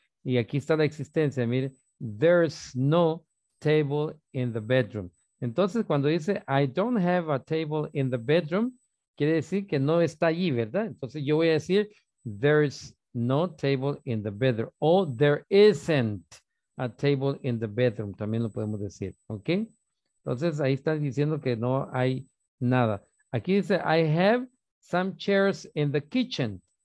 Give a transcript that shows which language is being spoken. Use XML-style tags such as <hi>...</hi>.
<es>Y aquí está la existencia. Mire,</es> <en>there's no table in the bedroom.</en> <es>Entonces, cuando dice,</es> <en>I don't have a table in the bedroom,</en> <es>quiere decir que no está allí, ¿verdad? Entonces, yo voy a decir,</es> <en>there's no table in the bedroom. O there isn't a table in the bedroom.</en> <es>También lo podemos decir, ¿ok? Entonces, ahí está diciendo que no hay nada. Aquí dice,</es> <en>I have some chairs in the kitchen.</en>